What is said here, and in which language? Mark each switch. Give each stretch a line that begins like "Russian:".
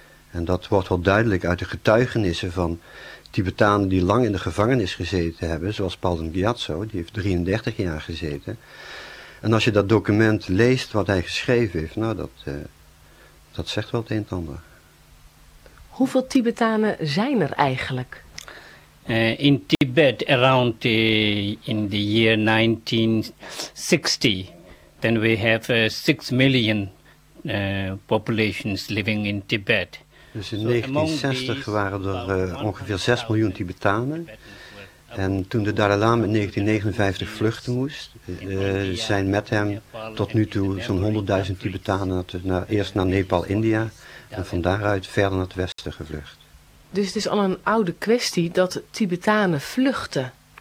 Dutch: En dat wordt wel duidelijk uit de getuigenissen van Tibetanen die lang in de gevangenis gezeten hebben, zoals Palden Gyatso, die heeft 33 jaar gezeten. En als je dat document leest wat hij geschreven heeft, nou dat zegt wel het een en ander. Hoeveel Tibetanen zijn er eigenlijk?
English: In Tibet, around in the year 1960, then we have 6 million populations living in Tibet.
Dutch: Dus in 1960 waren er ongeveer 6 miljoen Tibetanen. En toen de Dalai Lama in 1959 vluchten moest, zijn met hem tot nu toe zo'n 100.000 Tibetanen eerst naar Nepal, India en van daaruit verder naar het westen gevlucht. Dus het is al een oude kwestie dat Tibetanen vluchten.